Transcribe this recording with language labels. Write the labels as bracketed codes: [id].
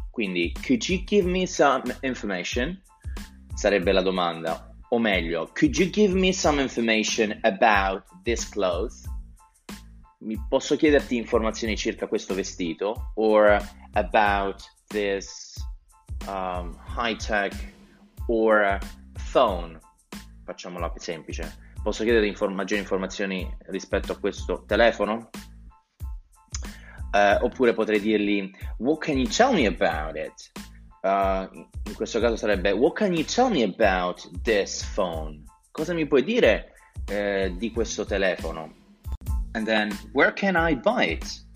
[it] Quindi [en] could you give me some information? [it] Sarebbe la domanda. O meglio, [en] could you give me some information about this clothes? [it] Mi posso chiederti informazioni circa questo vestito? [en] Or about this high-tech or phone? [it] Facciamola più semplice. Posso chiedere maggiori informazioni rispetto a questo telefono? Oppure potrei dirgli [en] what can you tell me about it? [it] In questo caso sarebbe [en] what can you tell me about this phone? [it] Cosa mi puoi dire di questo telefono? [en] And then where can I buy it?